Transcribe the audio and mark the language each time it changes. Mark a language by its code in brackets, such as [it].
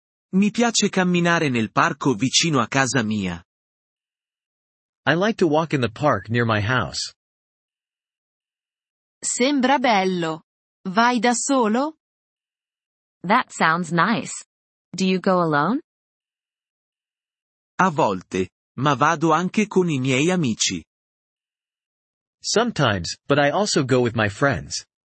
[it] Mi piace camminare nel parco vicino a casa mia. [en] I like to walk in the park near my house. [it] Sembra bello. Vai da solo? [en] That sounds nice. Do you go alone? [it] A volte, ma vado anche con i miei amici. [en] Sometimes, but I also go with my friends.